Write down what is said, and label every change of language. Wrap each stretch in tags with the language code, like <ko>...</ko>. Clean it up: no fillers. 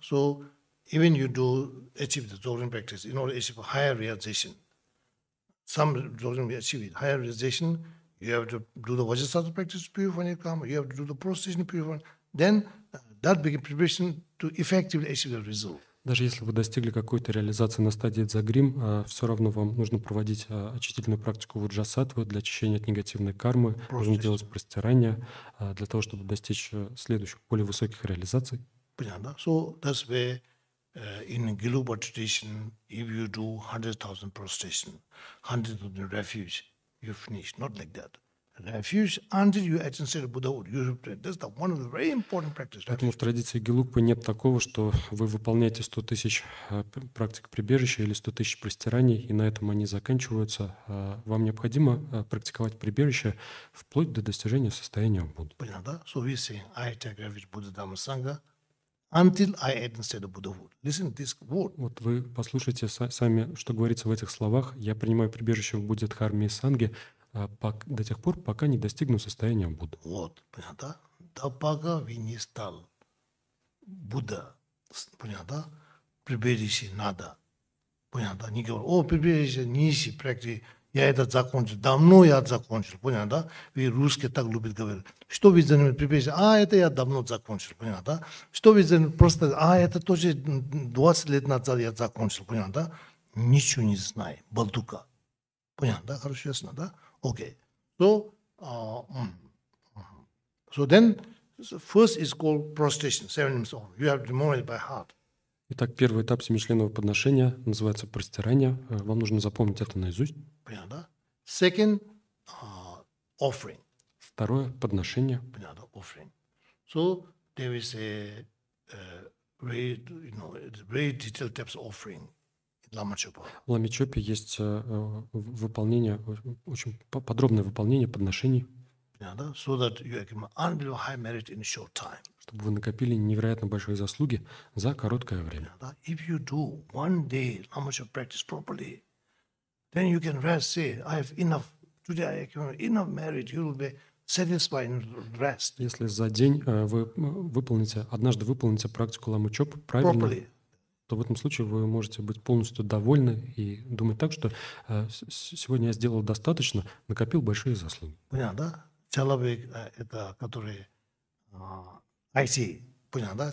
<en>So, even you do achieve the dzogchen practice in order to achieve higher realization. Some dzogchen will achieve it. Higher realization, you have to do the vajrasattva practice purifying your karma, you have to do the prostration purifying. Then that becomes preparation to effectively achieve the result.</en> <ru>Даже если вы достигли какой-то реализации на стадии дзогрим, все равно вам нужно проводить очистительную практику ваджасатвы для очищения от негативной кармы, нужно делать простирания для того, чтобы достичь следующих, более высоких реализаций. Понятно, да?</ru> <en>So that's where in Gelugpa tradition, if you do 100,000 prostration, 100,000 refuge, you finish, not like that. Refuge until you attain state of Buddhahood. That's the one of the very important practices.</en> <ru>Поэтому в традиции Гелугпы нет такого, что вы выполняете 100,000 практик прибежища или 100,000 простираний, и на этом они заканчиваются. Вам необходимо практиковать прибежище вплоть до достижения состояния Будды. Понятно, да?</ru> <en>So we say, I take refuge Buddha Dhamma Sangha until I attain state of Buddhahood. Listen to this word.</en> <ru>Вот вы послушайте сами, что говорится в этих словах. Я принимаю прибежище в Будде Дхарме и Санге до тех пор, пока не достигну состояния Будды. Вот, понятно, да? Да пока вы не стал Будда, понятно, да? Прибежище надо, понятно, да? Не говорю, о, прибежище, ниси, практи, Я этот закончил. Давно я закончил, понятно, да? Вы русские так любят говорить. Что вы занимаетесь? Припишите, а это я давно закончил, понятно, да? Что вы занимаетесь? Просто, а это тоже 20 лет назад я закончил, понятно, да? Ничего не знаю, балдука. Понятно, да? Хорошо, ясно, да? Окей.</ru> <en>So then, first is called prostration, seven minutes on. You have to memorize it by heart.</en> <ru>Итак, первый этап семичленного подношения называется простирание. Вам нужно запомнить это наизусть. Понятно, да?</ru> <en>Second, offering.</en> <ru>Второе – подношение. Понятно, да?</ru> <en>Offering. So, there is a very, you know, very detailed types of offering in Lama Chöpa.</en> <ru>В Лама Чопе есть выполнение, очень подробное выполнение подношений. Понятно, да?</ru> <en>So that you accumulate unbelievable high merit in a short time.</en> <ru>Чтобы вы накопили невероятно большие заслуги за короткое время. Понятно, да?</ru> <en>If you do one day Lama Chöpa practice properly, then you can rest, say, I have enough, today I have enough merit, you will be satisfied and rest.</en> <ru>Если за день вы выполните, однажды выполните практику Лама Чопа правильно, properly, то в этом случае вы можете быть полностью довольны и думать так, что сегодня я сделал достаточно, накопил большие заслуги. Понятно, да? Человек, это, который IT, понятно, да?</ru>